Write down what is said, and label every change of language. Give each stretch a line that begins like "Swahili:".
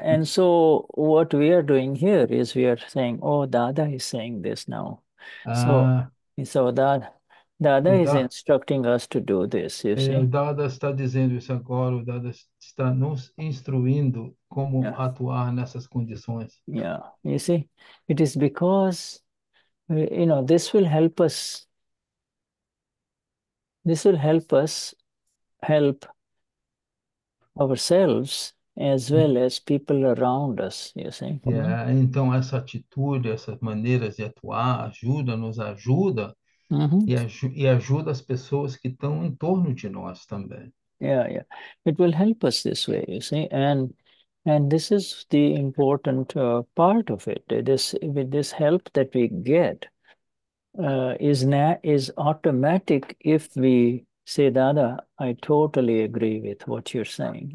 English: And so what we are doing here is we are saying, oh, Dada is saying this now. So Dada is instructing us to do this, you
Portuguese: O
English: see.
Portuguese: Dada está dizendo isso agora, o Dada está nos instruindo como atuar nessas condições.
English: You see, it is because, this will help us help ourselves as well as people around us, you see.
Portuguese: Então, essa atitude, essas maneiras de atuar ajuda, nos ajuda. E ajuda as pessoas que estão em torno de nós também.
English: It will help us this way, you see, and this is the important part of it. This help that we get is automatic if we say, Dada, I totally agree with what you're saying.